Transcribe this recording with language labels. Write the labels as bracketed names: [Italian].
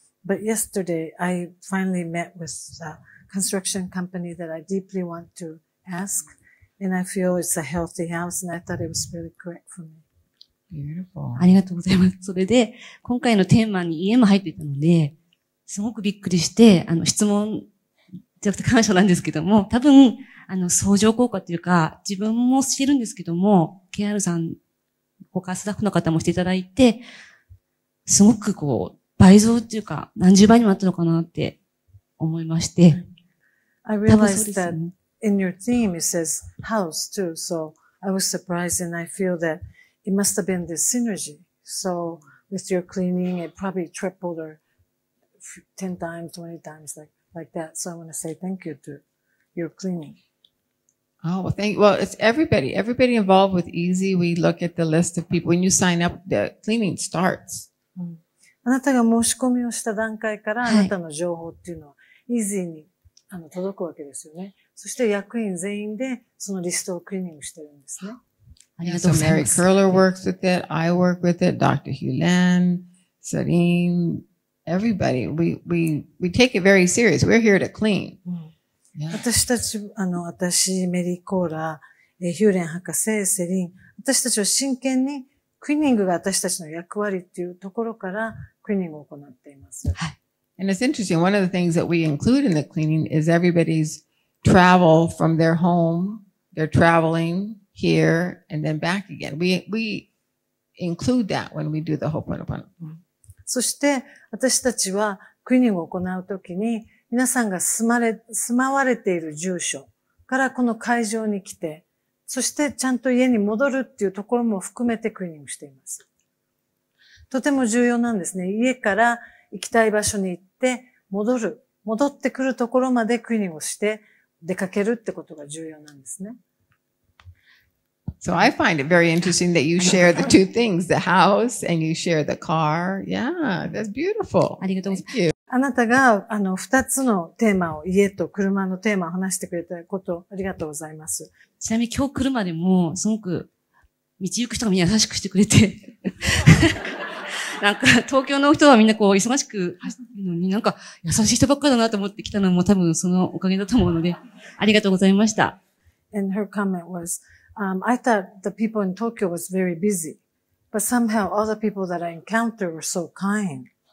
[English] But yesterday, I finally met with a construction company that I deeply want to ask. And I feel it's a healthy house and I thought it was really correct for me. Beautiful. [Japanese] ありがとうございます。それで、今回のテーマに家も入っていたので、すごくびっくりして、質問、ちょっと感謝なんですけども、多分、相乗効果というか、自分もしてるんですけども、KR さん、他スタッフの方もしていただいて、すごくこう、倍増というか、何十倍にもなったのかなって思いまして。 [English] I realized that in your theme it says house too, so I was surprised and I feel that it must have been the synergy. So with your cleaning, it probably tripled or 10 times, 20 times like that. So I want to say thank you to your cleaning. Oh, well, thank you. Well, it's everybody. Everybody involved with Easy. We look at the list of people. When you sign up, the cleaning starts. [Japanese] あなたが申し込みをした段階から、あなたの情報っていうのは Easy に届くわけですよね。そして役員全員でそのリストをクリーニングしてるんですね。ありがとうございます。 [English] So Mary Curler works with it. I work with it. Dr. Hulan, Sarin,Everybody, we take it very serious. We're here to clean.、 Yeah. [Japanese] 私たち、私、メリーコーラ、ヒューレン博士、セリン、私たちは真剣に、クリーニングが私たちの役割っていうところから、クリーニングを行っています。 [English] はい。And it's interesting. One of the things that we include in the cleaning is everybody's travel from their home. They're traveling here and then back again. We include that when we do the Ho'oponopono. [Japanese] そして、私たちは、クリーニングを行うときに、皆さんが住まわれている住所からこの会場に来て、そして、ちゃんと家に戻るっていうところも含めてクリーニングしています。とても重要なんですね。家から行きたい場所に行って、戻る。戻ってくるところまでクリーニングをして、出かけるってことが重要なんですね。 [English] So I find it very interesting that you share the two things, the house and you share the car. Yeah, that's beautiful. [Japanese] ありがとうございます。 [English] Thank you. [Japanese] あなたが二つのテーマを、家と車のテーマを話してくれたこと、ありがとうございます。ちなみに今日来るまでも、すごく道行く人がみんな優しくしてくれて。なんか、東京の人はみんなこう、忙しく走るのに、なんか、優しい人ばっかだなと思って来たのも多分そのおかげだと思うので、ありがとうございました。 [English] And her comment was, I thought the people in Tokyo was very busy, but somehow all the people that I encountered were so kind.